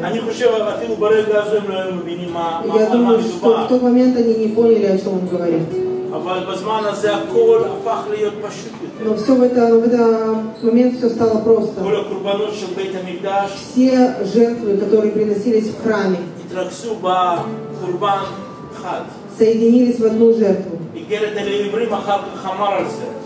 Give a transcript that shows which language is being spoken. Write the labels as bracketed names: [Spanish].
[Hebrew] אני חושב, אפילו ברגע הזה הם לא מבינים מה מדובר. [Russian] Я думаю, что в тот момент они не поняли, о чем он говорит. [Hebrew] אבל בזמן הזה הכל הפך להיות פשוט יותר. [Russian] Но все в это момент все стало просто. [Hebrew] כל הקורבנות של בית המקדש. [Russian] Все жертвы, которые приносились в храме. [Hebrew] התרכזו בקורבן אחד. [Russian] Соединились в одну жертву. [Hebrew] איגרת אל העברים אחר כך אמר על זה.